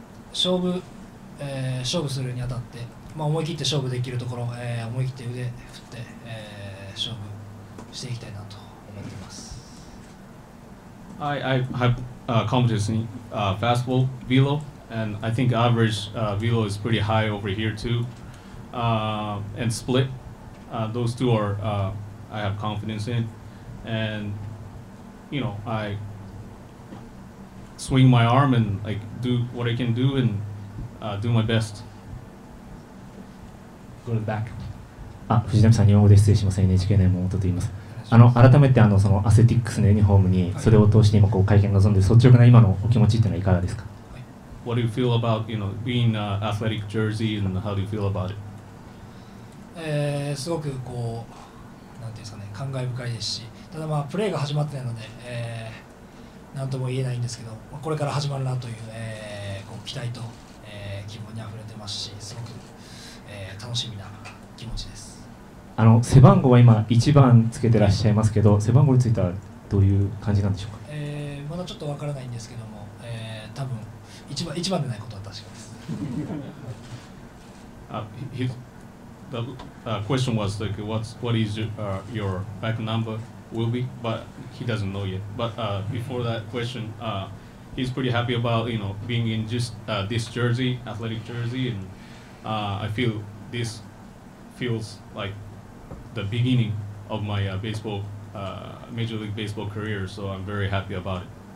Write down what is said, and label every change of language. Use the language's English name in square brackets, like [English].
[Japanese] 勝負するにあたって、まあ思い切って勝負できるところ、思い切って腕振って、勝負していきたいなと思ってます。 [English] I have competition fastball velo, and I think average velo is pretty high over here too. And split, those two are I have confidence in, and you know I swing my arm and like do what I can do and do my best. Go to the back. [Japanese] Ah, Fujinami san, nihongo de shitsurei shimasu, NHK no Yamamoto to imasu. 改めてそのアスレティックスのユニフォームにそれを通して今こう会見に臨んで率直な今のお気持ちというのはいかがですか。 [English] What do you feel about, you know, being an athletic jersey and how do you feel about it? [Japanese] すごくこう、なんていうんですかね、感慨深いですし、ただまあプレーが始まってないので、なんとも言えないんですけど、これから始まるなという、こう期待と、希望にあふれてますし、すごく、楽しみな気持ちです。背番号は今1番つけてらっしゃいますけど、背番号についてはどういう感じなんでしょうか。まだちょっとわからないんですけども、多分1番でないことは確かです。 [English] The question was like, what is your back number will be, but he doesn't know yet. But before that question, he's pretty happy about, you know, being in just this jersey, athletic jersey, and I feel this feels like the beginning of my baseball, Major League Baseball career, so I'm very happy about it.